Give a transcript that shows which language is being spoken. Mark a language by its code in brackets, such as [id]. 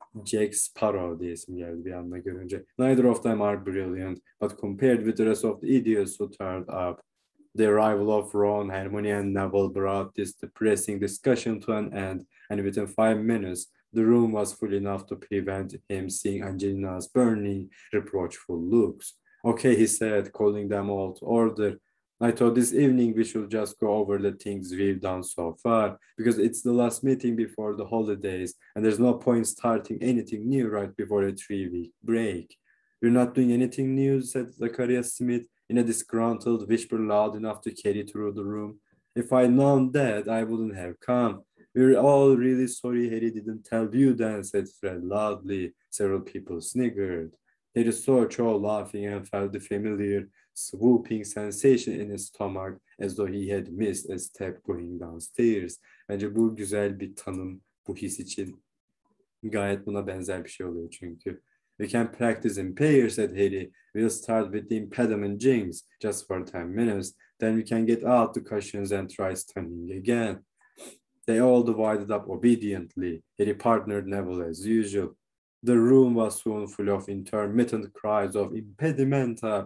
[tr] Jack Sparrow diye isim geldi bir anda görünce. [en] Neither of them are brilliant, but compared with the rest of the idiots who turned up, the arrival of Ron, Hermione, and Neville brought this depressing discussion to an end, and within 5 minutes, the room was full enough to prevent him seeing Angelina's burning, reproachful looks. Okay, he said, calling them all to order. I thought this evening we should just go over the things we've done so far, because it's the last meeting before the holidays, and there's no point starting anything new right before a 3-week break. We're not doing anything new, said Zacharias Smith, in a disgruntled whisper loud enough to carry through the room. If I'd known that, I wouldn't have come. We're all really sorry Harry didn't tell you then, said Fred loudly. Several people sniggered. Harry saw Cho laughing and felt the familiar swooping sensation in his stomach as though he had missed a step going downstairs. [tr] Bence bu güzel bir tanım bu his için. Gayet buna benzer bir şey oluyor çünkü. [en] "We can practice in pairs," said Harry. "We'll start with the impediment James just for 10 minutes. Then we can get out the cushions and try standing again." They all divided up obediently. Harry partnered Neville as usual. The room was soon full of intermittent cries of impedimenta.